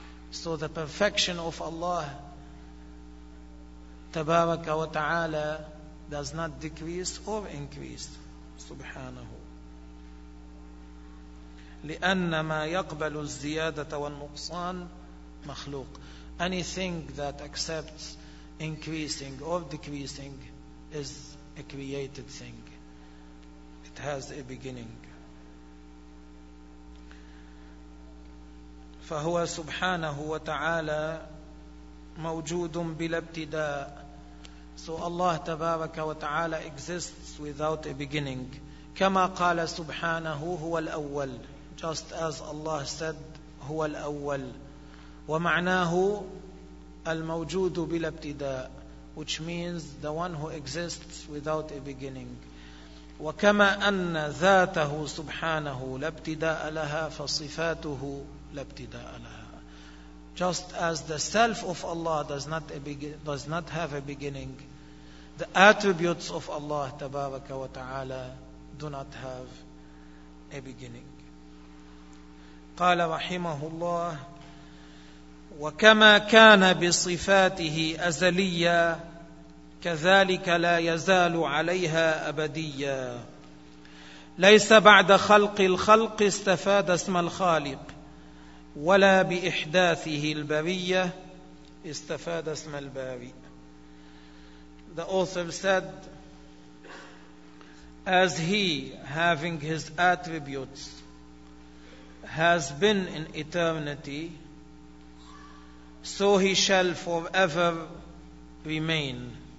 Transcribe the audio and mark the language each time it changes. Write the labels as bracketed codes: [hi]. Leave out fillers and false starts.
[en] So the perfection of Allah [ar] تبارك وتعالى [en] does not decrease or increase. [ar] سبحانه لأن ما يقبل الزيادة والنقصان مخلوق. [en] Anything that accepts increasing or decreasing is a created thing. It has a beginning. [ar] فهو سبحانه وتعالى موجود بلا ابتداء. [en] So Allah [ar] تبارك وتعالى [en] exists without a beginning. [ar] كما قال سبحانه هو الأول. [en] Just as Allah said, [ar] هو الأول. ومعناه الموجود بلا ابتداء. [en] Which means the one who exists without a beginning. [ar] وكما أن ذاته سبحانه لا ابتداء لها فصفاته لا ابتداء لها. [en] Just as the self of Allah does not have a beginning, the attributes of Allah [ar] تبارك وتعالى [en] do not have a beginning. [ar] قال رحمه الله وكما كان بصفاته أزلية كذلك لا يزال عليها أبدية. ليس بعد خلق الخلق استفاد اسم الخالق ولا بإحداثه البرية استفاد اسم الباري. [en] The author said, as he, having his attributes, has been in eternity, so he shall forever remain.